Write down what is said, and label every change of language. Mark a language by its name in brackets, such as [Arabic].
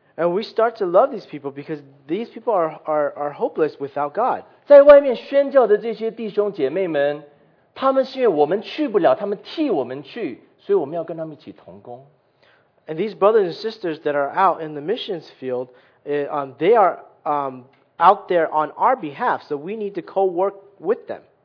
[English] And we start to love these people because these people are hopeless without God. [Chinese] 在外面宣教的这些弟兄姐妹们，他们是因为我们去不了，他们替我们去，所以我们要跟他们一起同工。 [English] And these brothers and sisters that are out in the missions field, they are out there on our behalf, so we need to co-work with them.